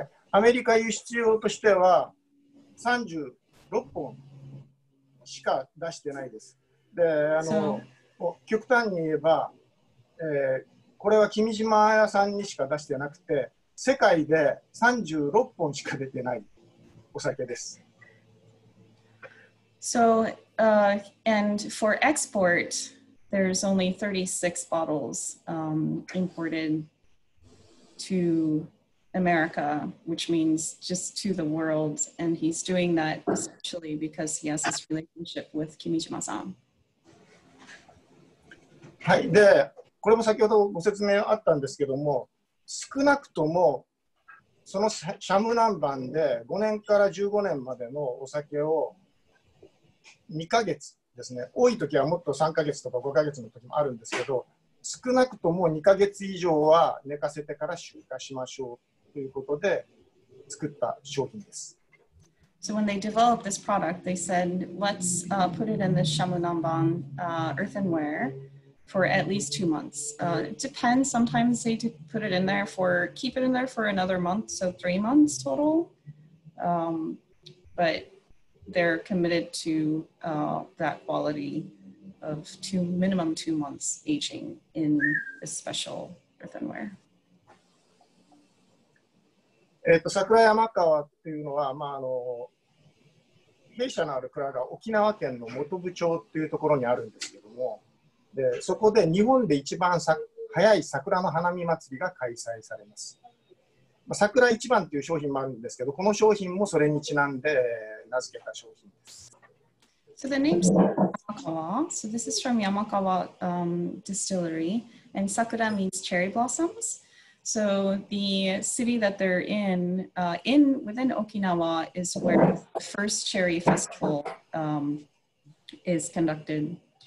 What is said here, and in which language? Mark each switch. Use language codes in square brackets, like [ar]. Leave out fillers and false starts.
[ja] アメリカ輸出用としては36本しか出してないです。で、あの、so. 極端に言えば、これは君島屋さんにしか出してなくて、世界で36本しか出てないお酒です。 [en] So, and for export, there's only 36 bottles imported to... America, which means just to the world, and he's doing that especially because he has this relationship with Kimijima-san. [ja] はい、で、これも先ほどご説明あったんですけども、少なくともそのシャムナンバンで5年から15年までのお酒を2ヶ月ですね、多い時はもっと3ヶ月とか5ヶ月の時もあるんですけど、少なくとも2ヶ月以上は寝かせてから出荷しましょう。ということで作った商品です。 [en] So when they developed this product, they said, let's put it in the Shamunamban earthenware for at least 2 months. It depends. Sometimes they put it in there for keep it in there for another month, so 3 months total. But they're committed to that quality of minimum two months aging in a special earthenware. [ja] 桜山川っていうのは、まあ、あの弊社のある蔵が沖縄県の本部町っていうところにあるんですけども、でそこで日本で一番早い桜の花見祭りが開催されます。まあ、桜一番っていう商品もあるんですけど、この商品もそれにちなんで名付けた商品です。 [en] So the name is Yamakawa. So this is from Yamakawa Distillery, and Sakura means cherry blossoms. So the city that they're in within Okinawa is where the first cherry festival is conducted.